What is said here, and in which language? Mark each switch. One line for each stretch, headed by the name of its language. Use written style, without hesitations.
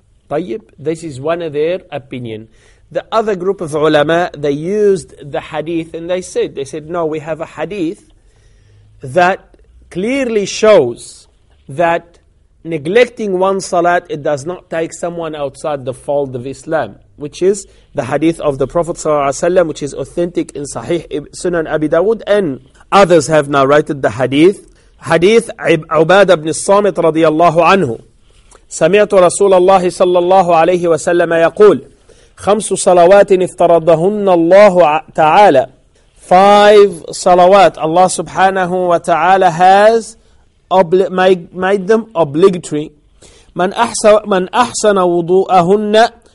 English: طيب, this is one of their opinion. The other group of ulama, they used the hadith and they said no, we have a hadith that clearly shows that neglecting one salat, it does not take someone outside the fold of Islam, which is the hadith of the Prophet ﷺ, which is authentic in Sahih Sunan Abi Dawud, and others have narrated the hadith. Hadith Ubad ibn Samit radiyallahu anhu.
Arabic: سمعت رسول الله صلى الله عليه وسلم يقول خمس صلوات افترضهن الله تعالى.
English: Five salawat Allah subhanahu wa ta'ala has made them obligatory.
Arabic: من أحسن وضوءهن